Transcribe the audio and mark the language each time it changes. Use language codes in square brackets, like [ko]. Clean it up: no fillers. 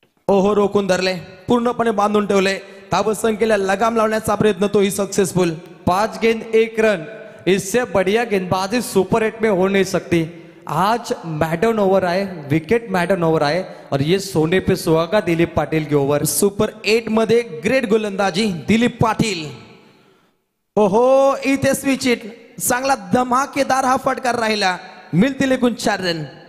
[mr] ओहो रोकून धरले, पूर्णपणे बांधून ठेवले, धावसंख्येला लगाम लावण्याचा प्रयत्न तोही सक्सेसफुल। [hi] पांच गेंद एक रन, इससे बढ़िया गेंदबाजी सुपर एट में हो नहीं सकती। आज मैडन ओवर आए, विकेट मैडन ओवर आए और ये सोने पे सुहागा दिलीप पाटिल की ओवर। [mr] सुपर एट मध्ये ग्रेट गोलंदाजी दिलीप पाटिल। ओहो इथे स्विच इट, चांगला धमाकेदार हा फटकार राहिला, मिळतील एकूण चार रन।